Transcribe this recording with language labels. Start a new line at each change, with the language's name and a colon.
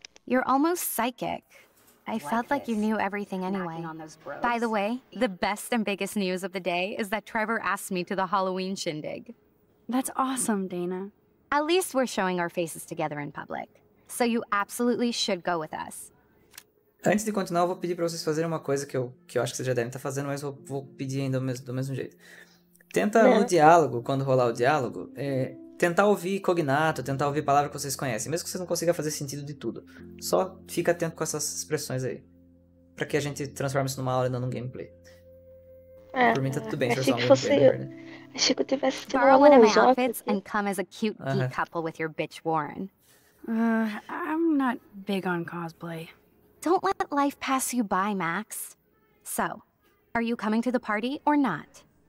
English: You're almost psychic. I felt like, you knew everything anyway. By the way, the best and biggest news of the day is that Trevor asked me to the Halloween shindig. That's awesome, Dana. At least we're showing our faces together in public. So you absolutely should go with us.
Portuguese: Antes de continuar, eu vou pedir pra vocês fazerem uma coisa que eu acho que vocês já devem estar fazendo, mas vou pedir ainda do mesmo jeito. Tenta o diálogo, quando rolar o diálogo, tentar ouvir cognato, tentar ouvir palavras que vocês conhecem, mesmo que vocês não consigam fazer sentido de tudo. Só fica atento com essas expressões aí. Pra que a gente transforme isso numa aula e não num gameplay. Por mim tá tudo bem, transformar um gameplay. Achei que eu tivesse
English: borrow one of my outfits and come as a cute geek couple with your bitch Warren. I'm not big on cosplay. Don't let life pass you by, Max. So, are you coming to the party or not?